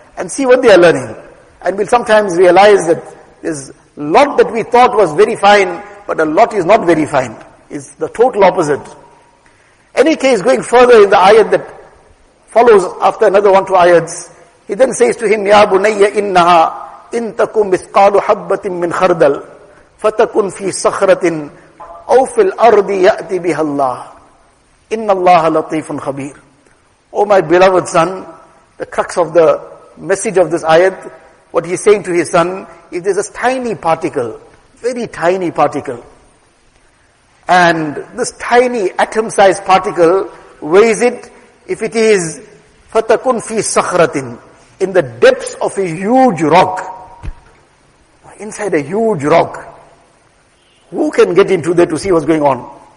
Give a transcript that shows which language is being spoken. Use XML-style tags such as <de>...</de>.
<en>And see what they are learning. And we'll sometimes realize that there's a lot that we thought was very fine. But a lot is not very fine. It's the total opposite. Any case going further in the ayat that follows after another one two ayats. He then says to him,</en> <ar>Ya bunayya innaha. إن تكن مثقال حبة من خردل فتكن في صخرة أو في الأرض يأتي بها الله إن الله لطيف خبير.</ar> <en>Oh my beloved son, the crux of the message of this ayat, what he's saying to his son, if there's a tiny particle, very tiny particle, and this tiny atom-sized particle weighs it, if it is</en> <ar>فتكن في صخرة</ar> <en>in the depths of a huge rock, inside a huge rock, who can get into there to see what's going on?</en>